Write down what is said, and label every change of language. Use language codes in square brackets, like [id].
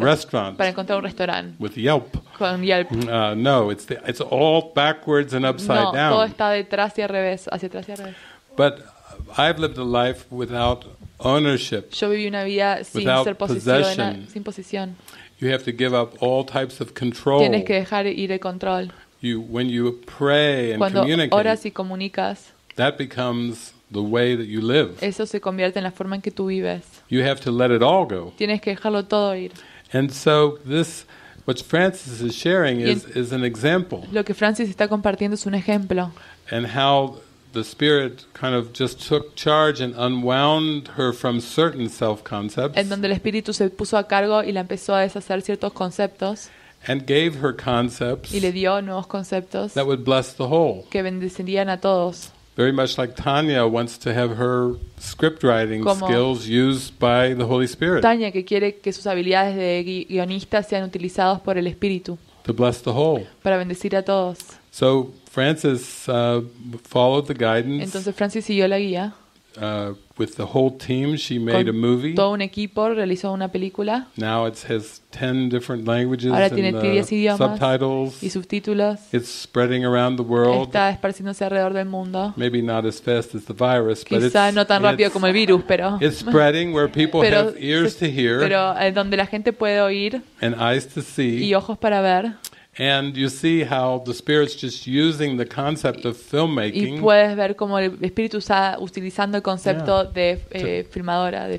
[en] the restaurant. [es] Para encontrar un restaurante. [en] With Yelp. [es] Con Yelp. [en] No, it's all backwards and upside [es] no, [en] down. [es] Todo está detrás y al revés, hacia atrás y al revés. [en] But I've lived a life without ownership. [es] Yo viví una vida sin ser posesión, sin posesión. [en] You have to give up all types of control. [es] Tienes que dejar ir el control. [en] You when you pray and [es] cuando [en] communicate. [es] Cuando oras y comunicas. [en] That becomes the way that you live. [es] Eso se convierte en la forma en que tú vives. [en] You have to let it all go. [es] Tienes que dejarlo todo ir. [en] And so this what Francis is sharing is an example. [es] Lo que Francis está compartiendo es un ejemplo. [en] And how the Spirit kind of just took charge and unwound her from certain self-concepts. [es] En donde el Espíritu se puso a cargo y la empezó a deshacer ciertos conceptos. [en] And gave her concepts. [es] Y le dio nuevos conceptos. [en] That would bless the whole. [es] Que bendecirían a todos. [en] Very much like Tanya wants to have her scriptwriting skills used by the Holy Spirit. [es] Tanya que quiere que sus habilidades de guionista sean utilizadas por el Espíritu. [en] To bless the whole. [es] Para bendecir a todos. [en] So Francis followed the guidance. [es] Entonces Francis siguió la guía. [en] With the whole team, she made a movie. [es] Todo un equipo realizó una película. [en] Now it has 10 different languages. [es] Ahora tiene 10 idiomas. [en] Subtitles. [es] Y subtítulos. [en] It's spreading around the world. [es] Está esparciéndose alrededor del mundo. [en] Maybe not as fast as the virus, [es] quizá [en] but it's [es] no tan rápido como el virus, pero [en] it's spreading where people [es] pero, [en] have ears to hear. [es] Pero donde la gente puede oír. [en] And eyes to see. [es] Y ojos para ver. [en] And you see how the Spirit's just using the concept of filmmaking. [es] Y puedes ver cómo el Espíritu está utilizando el concepto yeah, de filmadora de